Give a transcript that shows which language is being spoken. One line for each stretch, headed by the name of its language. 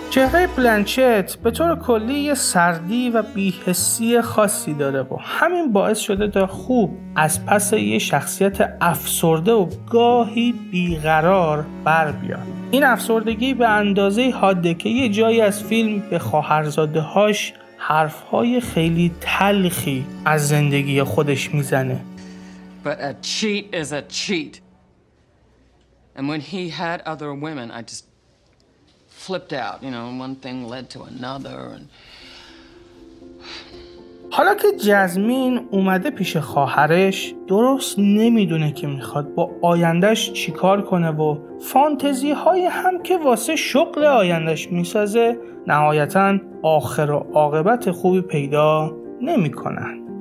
Persian: چهره بلانشت به طور کلی یه سردی و بی‌حسی خاصی داره و همین باعث شده تا خوب از پس یه شخصیت افسرده و گاهی بیقرار بر بیاد. این افسردگی به اندازه حاده که یه جایی از فیلم به خواهرزاده‌هاش حرف‌های خیلی تلخی از زندگی خودش میزنه.
English: But a cheat is a cheat. And when he had other women, I just flipped out. You know, one thing led to another.
Persian: حالا که جزمین اومده پیش خواهرش، درست نمیدونه که میخواد با آیندهش چیکار کنه و فانتزی های هم که واسه شغل آیندهش میسازه، نهایتاً آخر و عاقبت خوبی پیدا نمیکنن.